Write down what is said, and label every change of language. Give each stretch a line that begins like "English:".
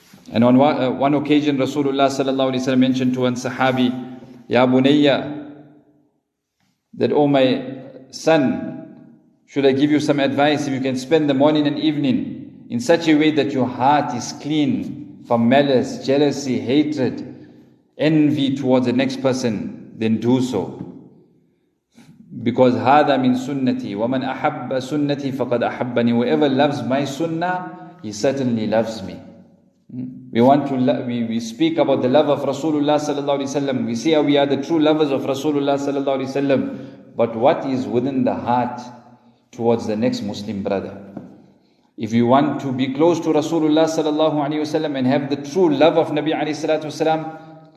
English: And on one occasion, Rasulullah sallallahu alayhi wa sallam mentioned to one sahabi, Ya Bunayya, that, O my son, should I give you some advice if you can spend the morning and evening in such a way that your heart is clean from malice, jealousy, hatred, envy towards the next person, then do so. Because
Arabic: هذا من سنتي ومن أحب سنتي فقد أحبني.
English: Whoever loves my sunnah, he certainly loves me. We want to we speak about the love of Rasulullah sallallahu alaihi wasallam. We say we are the true lovers of Rasulullah sallallahu alaihi wasallam. But what is within the heart towards the next Muslim brother? If you want to be close to Rasulullah sallallahu alaihi wasallam and have the true love of Nabi alayhi salatu wasalam,